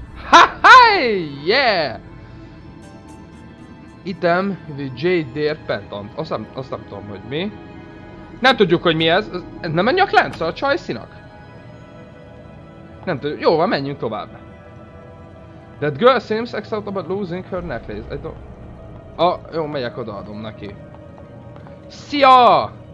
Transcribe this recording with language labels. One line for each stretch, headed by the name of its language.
English: Ha-haj! Yeah! Item with JDR pendant.
Hungarian: Azt nem tudom, hogy mi. Nem tudjuk, hogy mi ez. Ez nem a nyaklánc a csajszinak? Nem tudjuk. Jó van, menjünk tovább.
English: That girl seems excited about losing her necklace. I don't...
Hungarian: Ah, jó, megyek, odaadom neki. Szia!